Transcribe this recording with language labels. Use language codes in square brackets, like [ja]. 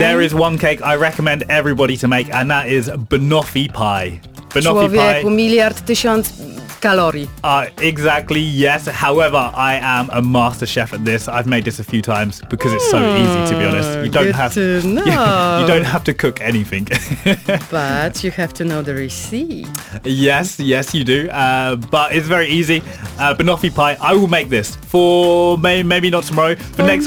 [en] There is one cake I recommend everybody to make and that is banoffee pie. Banoffee pie. [pl] Człowieku, miliard tysiąc kalorii. [en] Exactly, yes. However, I am a master chef at this. I've made this a few times because it's so easy, to be honest. You don't have to know. You don't have to cook anything. But you have to know the receipt. Yes, you do. But it's very easy. Banoffee pie, I will make this for maybe not tomorrow, for next